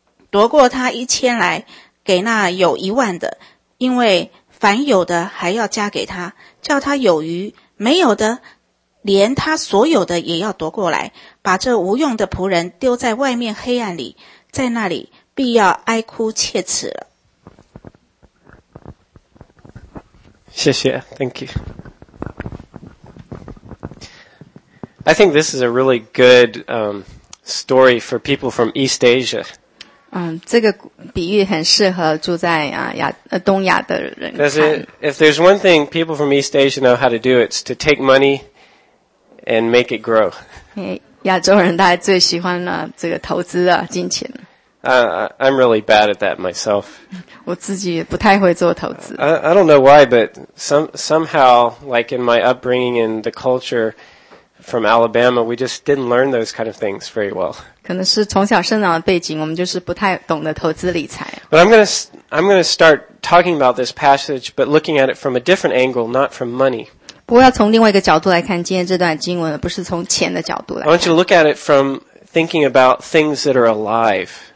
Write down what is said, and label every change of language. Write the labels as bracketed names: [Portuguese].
[Chinese] 夺过他1000来, 给那有10000的, 因为凡有的还要加给他, 叫他有余, 没有的, 连他所有的也要夺过来, 把这无用的仆人丢在外面黑暗里, 在那里必要哀哭切齿了。谢谢, [English] thank you. I think this is a really good story for people from East Asia. [Chinese] 这个比喻很适合住在东亚的人看。 [English] If there's one thing people from East Asia know how to do, it's to take money and make it grow. [Chinese] 亚洲人大概最喜欢这个投资的金钱。 [English] I'm really bad at that myself. [Chinese] 我自己不太会做投资。 [English] I don't know why, but somehow, like in my upbringing and the culture from Alabama, we just didn't learn those kind of things very well. [Chinese] 可能是从小生长的背景, 我们就是不太懂得投资理财。 [English] But I'm gonna start talking about this passage, but looking at it from a different angle, not from money. [Chinese] 不过要从另外一个角度来看今天这段经文, 不是从钱的角度来看。 [English] I want you to look at it from thinking about things that are alive.